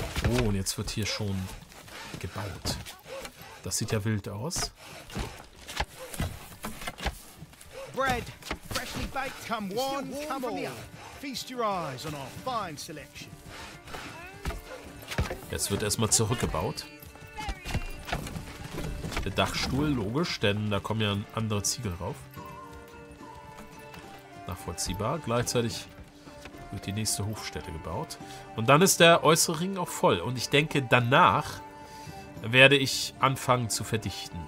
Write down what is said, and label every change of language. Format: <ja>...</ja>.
<de>Oh, und jetzt wird hier schon gebaut. Das sieht ja wild aus.</de> <en>Bread, freshly baked, come one, come on. Feast your eyes on our fine selection.</en> <de>Jetzt wird erstmal zurückgebaut. Der Dachstuhl, logisch, denn da kommen ja andere Ziegel drauf. Nachvollziehbar. Gleichzeitig wird die nächste Hofstätte gebaut. Und dann ist der äußere Ring auch voll. Und ich denke, danach werde ich anfangen zu verdichten.</de>